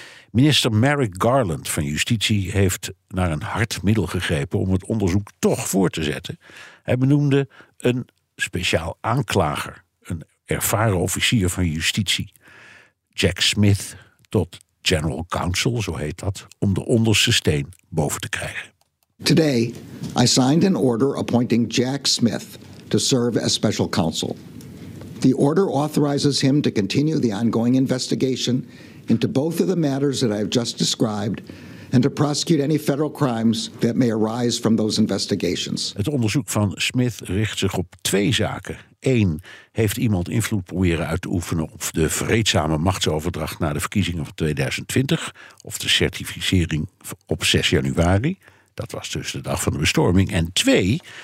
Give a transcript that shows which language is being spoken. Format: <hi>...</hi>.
<nl>Minister Merrick Garland van Justitie heeft naar een hard middel gegrepen om het onderzoek toch voor te zetten. Hij benoemde een speciaal aanklager, een ervaren officier van justitie, Jack Smith, tot General Counsel, zo heet dat, om de onderste steen boven te krijgen.</nl> <en>Today, I signed an order appointing Jack Smith to serve as special counsel. The order authorizes him to continue the ongoing investigation into both of the matters that I have just described and to prosecute any federal crimes that may arise from those investigations.</en> <nl>Het onderzoek van Smith richt zich op 2 zaken. 1. Heeft iemand invloed proberen uit te oefenen op de vreedzame machtsoverdracht na de verkiezingen van 2020, of de certificering op 6 januari, dat was dus de dag van de bestorming. En 2.</nl>